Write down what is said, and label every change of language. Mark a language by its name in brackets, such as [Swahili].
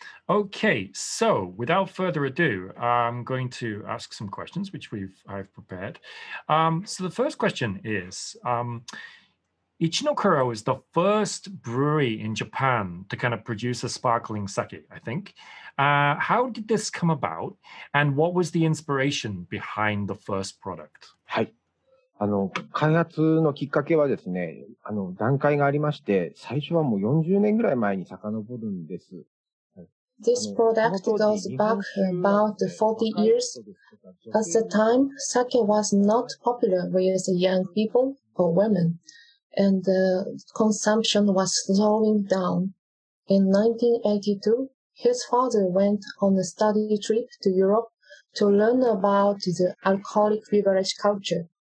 [English] Okay, so without further ado, I'm going to ask some questions, which I've prepared. So the first question is, Ichinokuro is the first brewery in Japan to kind of produce a sparkling sake, I think. How did this come about? And what was the inspiration behind the first product? [Japanese] はい。あの、開発のきっかけはですね、あの、段階がありまして、最初はもう40年ぐらい前に遡るんです。 [English] This product goes back about 40 years. At the time, sake was not popular with young people or women, and the consumption was slowing down. In 1982, his father went on a study trip to Europe to learn about the alcoholic beverage culture.